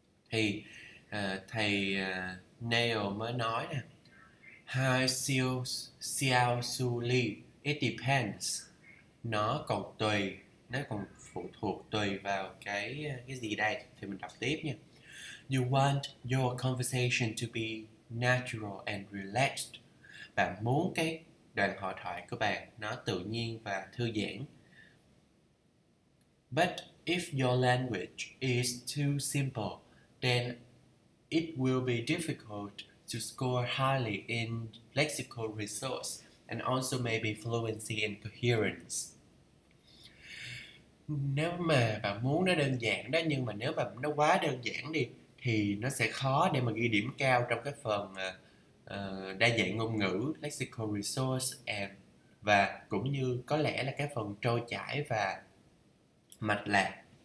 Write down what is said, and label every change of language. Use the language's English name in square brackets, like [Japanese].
[Vietnamese] Thì thầy Neil mới nói nè. [English] Hi Xiao Su Li, it depends. [Vietnamese] Nó còn phụ thuộc tùy vào cái gì đây? Thì mình đọc tiếp nha. [English] You want your conversation to be natural and relaxed. [Vietnamese] Bạn muốn cái đoạn hội thoại của bạn nó tự nhiên và thư giãn. [English] But if your language is too simple, then it will be difficult to score highly in lexical resource and also maybe fluency and coherence. [Vietnamese] Nếu mà bạn muốn nó đơn giản đó, nhưng mà nếu mà nó quá đơn giản đi thì nó sẽ khó để mà ghi điểm cao trong cái phần đa dạng ngôn ngữ, lexical resource, và cũng như có lẽ là cái phần trôi chảy và mạch lạc.